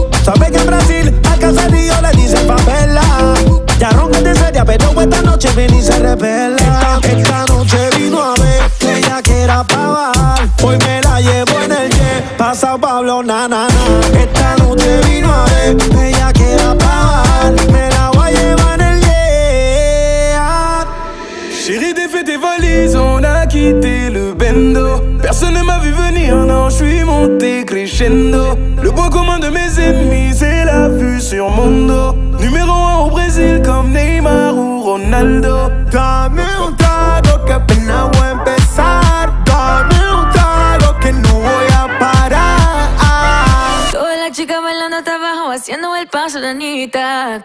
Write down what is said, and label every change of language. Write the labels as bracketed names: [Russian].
[Spanish] Sabes que en Brasil al caserío le dicen favela. Ya ronca de seria, pero esta noche viene y se revela. Esta noche vino a ver que ella quiera pa' bajar. Hoy me la llevo en el jet, pa' San Pablo, na, na, na. Esta noche vino a ver que ella quiera pa' bajar. Me la voy a llevar en el jet. [French] Chérie, défait tes valises, on a quitté le bendo. Personne ne m'a vu venir, non, j'suis monté crescendo. Le point commun de mes ennemis, c'est la vue sur mon dos. Numéro 1 au Brésil, comme Neymar ou Ronaldo. [Spanish] Dame un trago, que apenas voy a empezar. Dame un trago, que no voy a parar. Toda la chica bailando hasta abajo, haciendo el paso de Anita.